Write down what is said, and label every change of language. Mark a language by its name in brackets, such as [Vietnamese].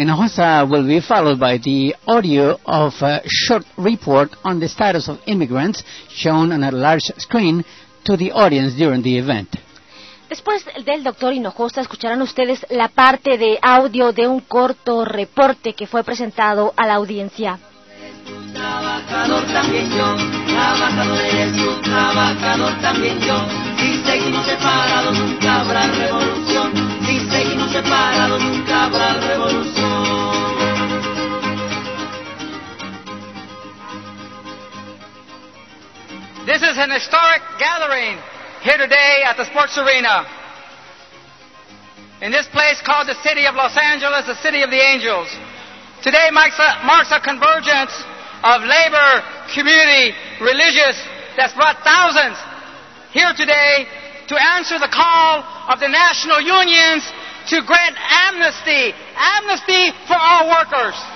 [English] Hinojosa will be followed by the audio of a short report on the status of immigrants shown on a large screen to the audience during the event. [Spanish] Después del Dr. Hinojosa, escucharán ustedes la parte de audio de un corto reporte que fue presentado a la audiencia. Trabajador también yo, trabajador eres tú, trabajador también yo. Si seguimos separados nunca habrá revolución, si seguimos separados nunca habrá revolución. [English] This is an historic gathering here today at the Sports Arena. In this place called the City of Los Angeles, the City of the Angels. Today marks a convergence of labor, community, religious, that's brought thousands here today to answer the call of the national unions to grant amnesty, amnesty for all workers.